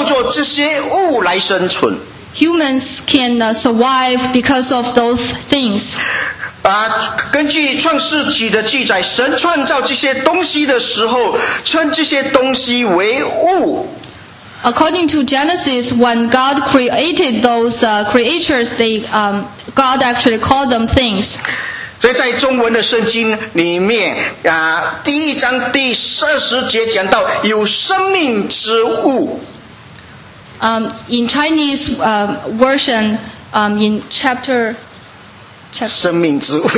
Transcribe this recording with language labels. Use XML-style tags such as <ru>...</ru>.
<zh>人类可以生存，就是靠着这些物来生存。</zh> <en>Humans can survive because of those things.</en> <zh>根据创世纪的记载，神创造这些东西的时候，称这些东西为物。</zh> <en>According to Genesis, when God created those creatures, God actually called them things.</en> <zh>所以在中文的圣经里面啊，第一章第二十节讲到有生命之物。</zh> <en>In Chinese version, in chapter</en> <zh>生命之物</zh>